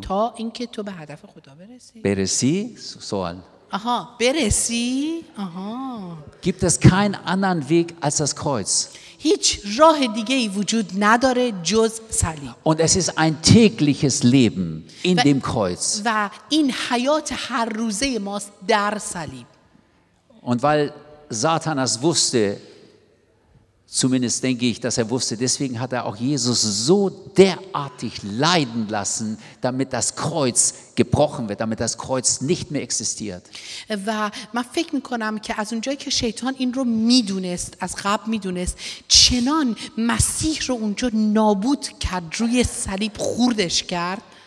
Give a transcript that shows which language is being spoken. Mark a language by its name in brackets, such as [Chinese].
[Persian] تا اینکه تو به هدف خدا برسی. سوال. آها، برسی؟ آها. [German] Gibt es keinen anderen Weg als das Kreuz. [Persian] هیچ راه دیگه‌ای وجود نداره جز صلیب. [German] Und es ist ein tägliches Leben in dem Kreuz. [Persian] و این حیات هر روزه ماست در صلیب. [German] Und weil Satan das wusste, zumindest denke ich, dass er wusste, deswegen hat er auch Jesus so derartig leiden lassen, damit das Kreuz gebrochen wird, damit das Kreuz nicht mehr existiert. [Persian] و من فکر میکنم که از اونجایی که شیطان این رو میدونست از قبل میدونست چنان مسیح رو اونجا نابود کرد روی صلیب خوردش کرد